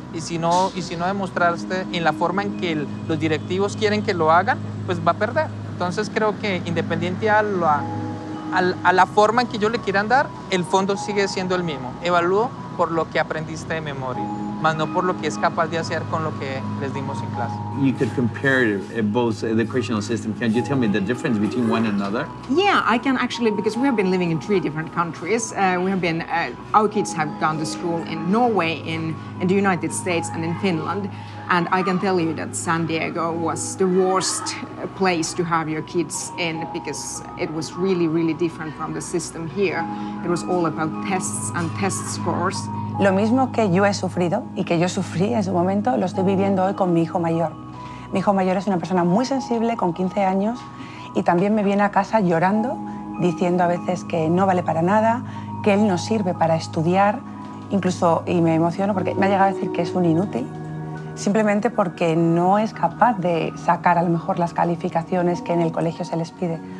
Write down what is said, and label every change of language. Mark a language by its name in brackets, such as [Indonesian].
[Spanish] Y si no demostraste en la forma en que los directivos quieren que lo hagan, pues va a perder. Entonces creo que independiente a la forma en que yo le quieran dar, el fondo sigue siendo el mismo. Evalúo por lo que aprendiste de memoria, más no por lo que es capaz de hacer con lo que les dimos en clase. [English] You could compare both educational systems. Can you tell me the difference between one another? Yeah, I can actually, because we have been living in three different countries. Our kids have gone to school in Norway, in the United States, and in Finland. And I can tell you that San Diego was the worst place to have your kids in because it was really, really different from the system here. It was all about tests and test scores. [Spanish] Lo mismo que yo he sufrido y que yo sufrí en su momento, lo estoy viviendo hoy con mi hijo mayor. Mi hijo mayor es una persona muy sensible, con 15 años, y también me viene a casa llorando, diciendo a veces que no vale para nada, que él no sirve para estudiar, incluso, y me emociono porque me ha llegado a decir que es un inútil, simplemente porque no es capaz de sacar a lo mejor las calificaciones que en el colegio se les pide.